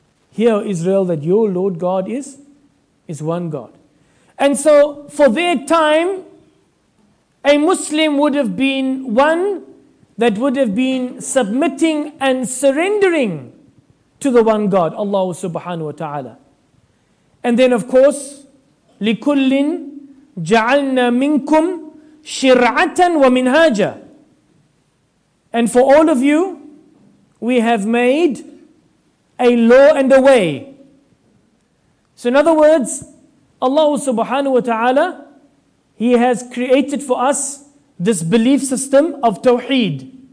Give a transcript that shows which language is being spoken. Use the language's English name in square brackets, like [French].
[English] Hear, O Israel, that your Lord God is one God. And so for their time, a Muslim would have been one that would have been submitting and surrendering to the one God, Allah subhanahu wa ta'ala. And then of course, [Arabic] لِكُلِّن جَعَلْنَا مِنْكُمْ شِرْعَةً وَمِنْهَاجًا. [English] And for all of you, we have made a law and a way. So in other words, Allah subhanahu wa ta'ala, He has created for us this belief system of Tawheed.